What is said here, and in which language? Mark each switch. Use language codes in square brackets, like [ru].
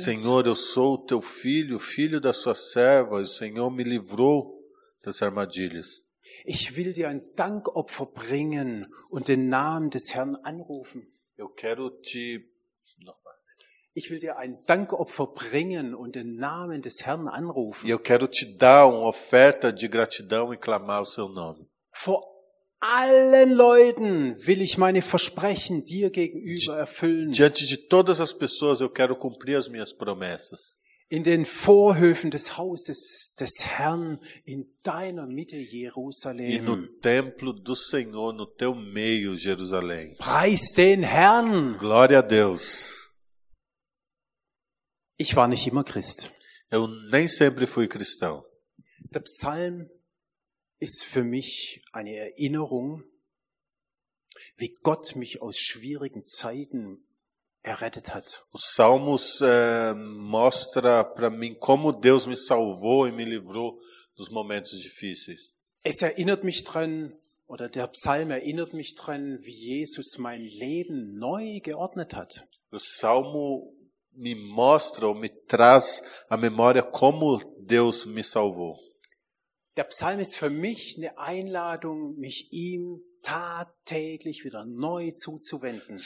[pt] Senhor, eu sou teu filho, filho da sua serva. O Senhor me livrou das armadilhas. [de] Ich will dir ein Dankopfer bringen und den Namen des Herrn anrufen. [pt] Eu quero te... [de] Ich will dir ein Dankopfer bringen und den Namen des Herrn anrufen. [pt] E eu quero te dar uma oferta de gratidão e clamar o seu nome. [de] Vor allen Leuten will ich meine Versprechen dir gegenüber erfüllen. [pt] Diante de todas as pessoas eu quero cumprir as minhas promessas. [de] In den Vorhöfen des Hauses des Herrn, in deiner Mitte, Jerusalem. [pt] E no templo do Senhor, no teu meio, Jerusalém. [de] Preis den Herrn. [pt] Glória a Deus. [de] Ich war nicht immer Christ. [pt] Eu nem sempre fui cristão. [de] Der Psalm ist für mich eine Erinnerung, wie Gott mich aus schwierigen Zeiten errettet hat. [pt] O Salmos mostra para mim como Deus me salvou e me livrou dos momentos difíceis. [de] Es erinnert mich dran, oder der Psalm erinnert mich dran, wie Jesus mein Leben neu geordnet hat. [pt] O Salmo me mostra ou me traz à memória como Deus me salvou. [de] Der Psalm ist für mich eine Einladung, mich ihm tagtäglich wieder neu zuzuwenden.